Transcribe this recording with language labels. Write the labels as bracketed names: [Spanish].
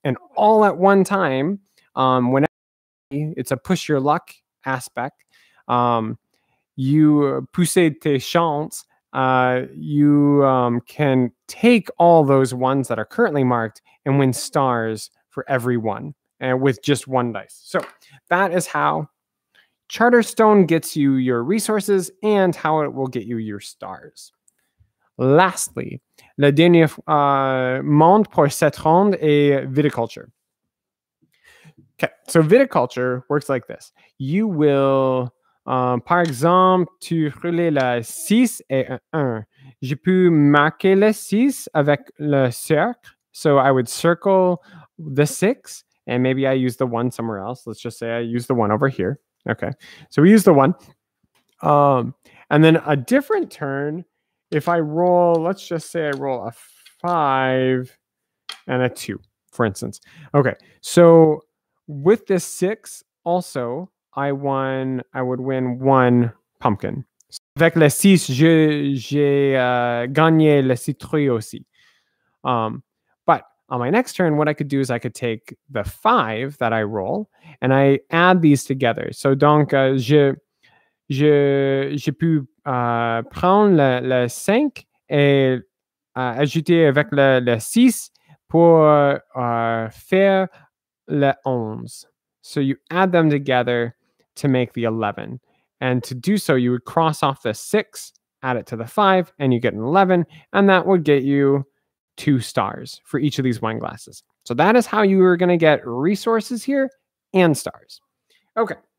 [English] And all at one time, whenever it's a push your luck aspect, you [French] pousser tes chances, [English] you can take all those ones that are currently marked and win stars for every one and with just one dice. So that is how Charterstone gets you your resources and how it will get you your stars. Lastly, [French] le dernier monde pour cette ronde est viticulture. [English] Okay, so viticulture works like this. You will, [French] par exemple, tu roules le 6 et un 1. Je peux marquer le 6 avec le cercle. [English] So I would circle the 6 and maybe I use the 1 somewhere else. Let's just say I use the 1 over here. Okay, so we use the one. And then a different turn, if I roll, let's just say I roll a 5 and a 2, for instance. Okay, so with this 6 also, I would win one pumpkin. [French] Avec le 6, j'ai gagné le citrouille aussi. [English] On my next turn, what I could do is I could take the 5 that I roll and I add these together. [French] So donc je peux prendre le 5 et ajouter avec le 6 pour faire le 11. [English] So you add them together to make the 11. And to do so, you would cross off the 6, add it to the 5, and you get an 11, and that would get you 2 stars for each of these wine glasses. So that is how you are going to get resources here and stars. Okay.